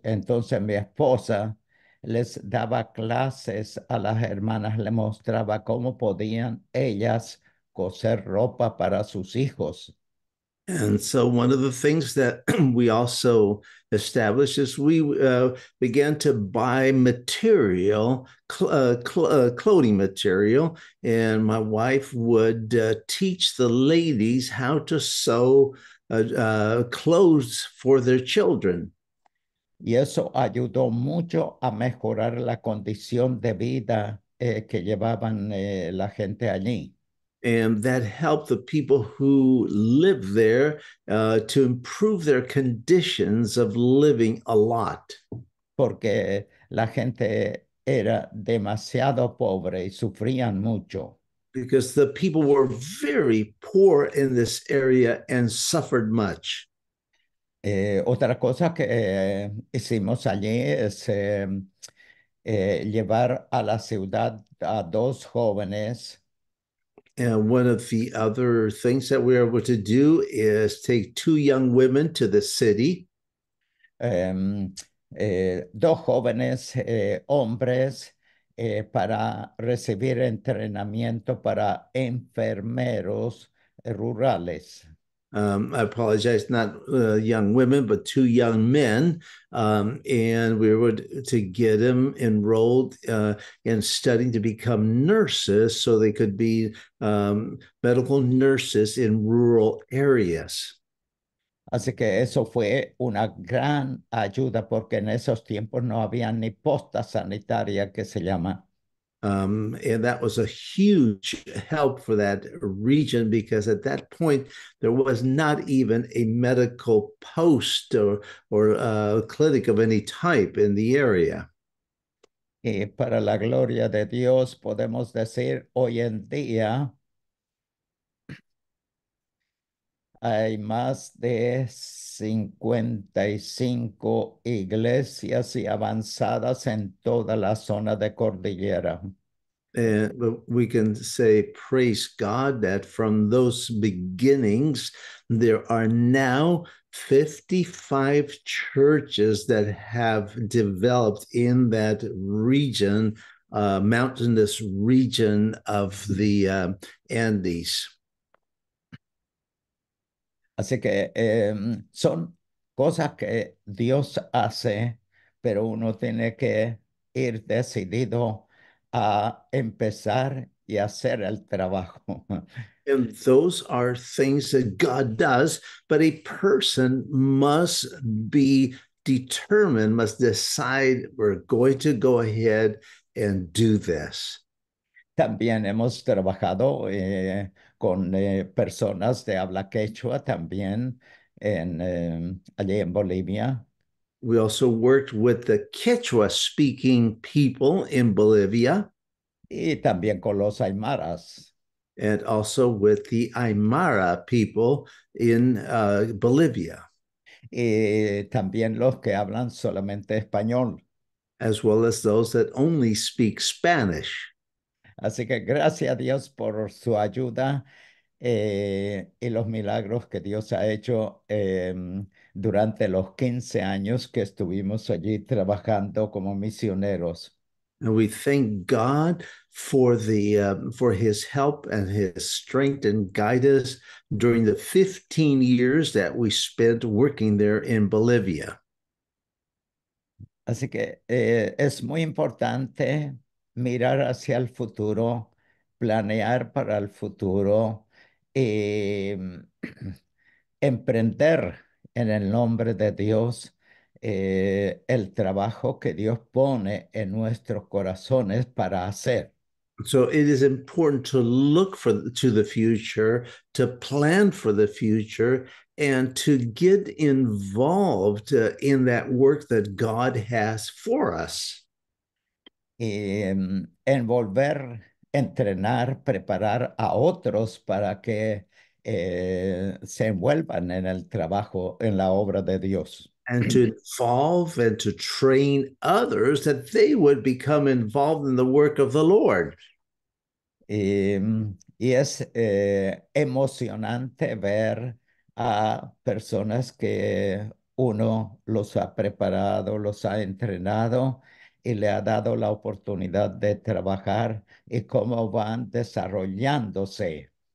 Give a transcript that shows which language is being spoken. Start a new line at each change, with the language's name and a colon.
Spanish: Entonces mi esposa les daba clases a las hermanas, le mostraba cómo podían ellas coser ropa para sus hijos.
English: And so one of the things that we also established is we began to buy material, clothing material, and my wife would teach the ladies how to sew clothes for their children.
Spanish: Y eso ayudó mucho a mejorar la condición de vida que llevaban la gente allí.
English: And that helped the people who live there to improve their conditions of living a lot.
Spanish: Porque la gente era demasiado pobre y sufrían mucho.
English: Because the people were very poor in this area and suffered much.
Spanish: Otra cosa que hicimos allí es llevar a la ciudad a 2 jóvenes.
English: And one of the other things that we are able to do is take 2 young women to the city.
Spanish: 2 jóvenes hombres para recibir entrenamiento para enfermeros rurales.
English: I apologize, not young women, but 2 young men. And we were to get them enrolled in studying to become nurses so they could be medical nurses in rural areas.
Spanish: Así que eso fue una gran ayuda porque en esos tiempos no había ni posta sanitaria que se llama.
English: And that was a huge help for that region, because at that point there was not even a medical post or a clinic of any type in the area.
Spanish: Y para la gloria de Dios podemos decir hoy en día hay más de 55 iglesias y avanzadas en toda la zona de cordillera.
English: And we can say, praise God, that from those beginnings, there are now 55 churches that have developed in that region, mountainous region of the Andes.
Spanish: Así que son cosas que Dios hace, pero uno tiene que ir decidido a empezar y hacer el trabajo.
English: And those are things that God does, but a person must be determined, must decide, we're going to go ahead and do this.
Spanish: También hemos trabajado con personas de habla quechua también en allí en Bolivia.
English: We also worked with the Quechua-speaking people in Bolivia.
Spanish: Y también con los aymaras.
English: And also with the Aymara people in Bolivia.
Spanish: Y también los que hablan solamente español.
English: As well as those that only speak Spanish.
Spanish: Así que gracias a Dios por su ayuda y los milagros que Dios ha hecho durante los 15 años que estuvimos allí trabajando como misioneros.
English: And we thank God for the for his help and his strength and guide us during the 15 years that we spent working there in Bolivia.
Spanish: Así que es muy importante mirar hacia el futuro, planear para el futuro y emprender en el nombre de Dios. El trabajo que Dios pone en nuestros corazones para hacer.
English: So it is important to look to the future, to plan for the future, and to get involved in that work that God has for us.
Spanish: Y envolver, entrenar, preparar a otros para que se envuelvan en el trabajo, en la obra de Dios.
English: And to involve and to train others that they would become involved in the work of the Lord.
Spanish: Y es emocionante ver a personas que uno los ha preparado, los ha entrenado y le ha dado la oportunidad de trabajar y cómo van desarrollándose.